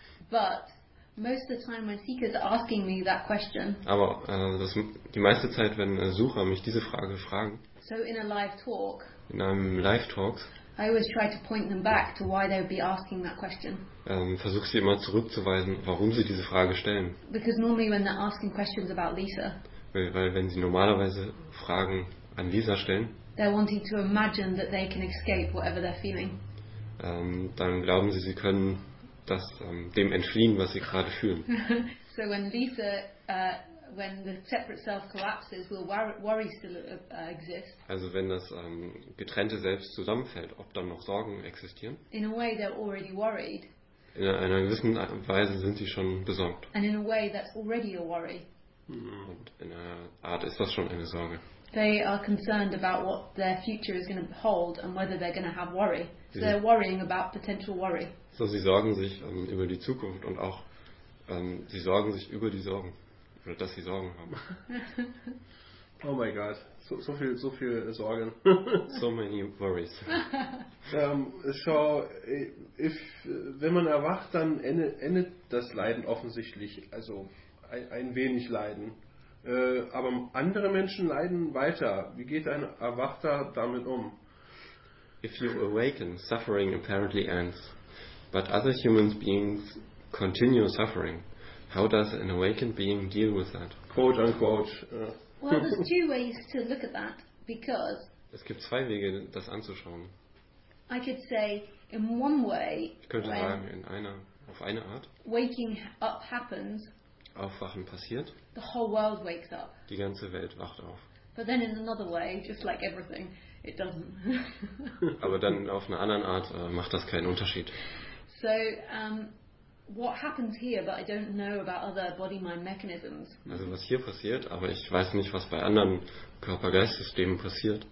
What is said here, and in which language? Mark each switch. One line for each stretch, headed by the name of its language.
English: But most of the time when seekers are asking me that question.
German: Aber die meiste Zeit, wenn Sucher mich diese Frage fragen.
English: So in a live talk.
German: In einem Live Talk.
English: I always try to point them back to why they would be asking that question.
German: Versuche sie immer zurückzuweisen, warum sie diese Frage stellen.
English: Because normally when they're asking questions about Lisa.
German: Weil wenn sie normalerweise Fragen an Lisa stellen.
English: They're wanting to imagine that they can escape whatever they're feeling.
German: Dann glauben sie, sie können das dem entfliehen, was sie gerade fühlen.
English: So when Lisa, when the separate self collapses, will worry still exist?
German: Also wenn das getrennte Selbst zusammenfällt, ob dann noch Sorgen existieren?
English: In a way, they're already worried.
German: In einer gewissen Weise sind sie schon besorgt.
English: And in a way, that's already a worry.
German: Und in einer Art ist das schon eine Sorge.
English: They are concerned about what their future is going to hold and whether they're going to have worry. So they're worrying about potential worry.
German: So sie sorgen sich über die Zukunft und auch sie sorgen sich über die Sorgen oder dass sie Sorgen haben.
English: Oh my God,
German: so viel Sorgen.
English: So many worries.
German: Wenn man erwacht, dann endet das Leiden offensichtlich, also ein wenig Leiden. Aber andere Menschen leiden weiter. Wie geht ein Erwachter damit um?
English: If you awaken, suffering apparently ends. But other human beings continue suffering. How does an awakened being deal with that? Quote unquote. Well, there's two ways to look at that, because
German: es gibt zwei Wege, das anzuschauen.
English: I could say in one way,
German: ich könnte sagen, auf eine Art,
English: waking up happens.
German: Aufwachen passiert.
English: The whole world wakes up.
German: Die ganze Welt wacht auf.
English: But then in another way, just like everything, it doesn't.
German: Aber dann auf einer anderen Art macht das keinen Unterschied.
English: So, what happens here, but I don't know about other body-mind mechanisms.
German: Also was hier passiert, aber ich weiß nicht, was bei anderen Körper-Geist-Systemen passiert.